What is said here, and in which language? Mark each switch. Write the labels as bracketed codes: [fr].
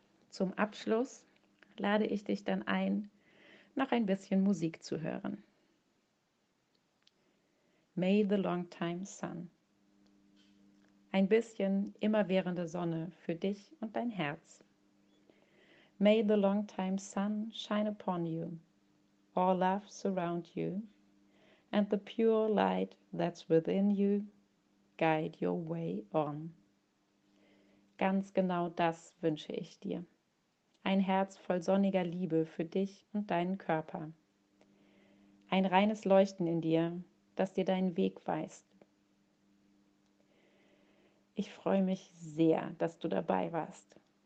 [de] Zum Abschluss lade ich dich dann ein, noch ein bisschen Musik zu hören. May the long time sun. Ein bisschen immerwährende Sonne für dich und dein Herz. [en] May the long time sun shine upon you, all love surround you, and the pure light that's within you guide your way on. [de] Ganz genau das wünsche ich dir. Ein Herz voll sonniger Liebe für dich und deinen Körper. Ein reines Leuchten in dir, das dir deinen Weg weist. Ich freue mich sehr, dass du dabei warst.